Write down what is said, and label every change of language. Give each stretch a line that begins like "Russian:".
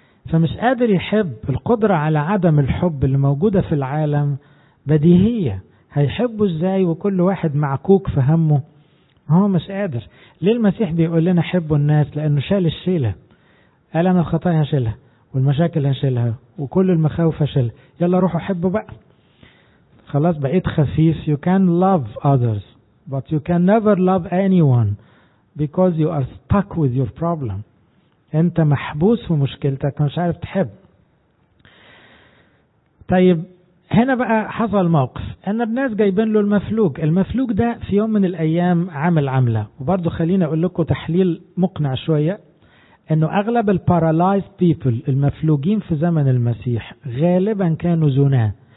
Arabic: فمش قادر يحب. القدرة على عدم الحب اللي موجودة في العالم بديهية، هيحبه ازاي وكل واحد معكوك في همه؟ هو مش قادر. ليه المسيح بيقول لنا حبوا الناس؟ لانه شال الشيلة، قال انا الخطايا هشيلها، والمشاكل هنشيلها وكل المخاوف هشيلها، يلا روحوا حبوا بقى خلاص بقيت خفيف.
English: You can love others but you can never love anyone because you are stuck with your problem.
Arabic: انت محبوس في مشكلتك مش عارف تحب. طيب هنا بقى حصل موقف ان الناس جايبين له المفلوج. المفلوج ده في يوم من الايام عمل عملة، وبرضو خلينا اقول لكم تحليل مقنع شوية، انه اغلب ال
English: paralyzed people
Arabic: المفلوجين في زمن المسيح غالبا كانوا زناة.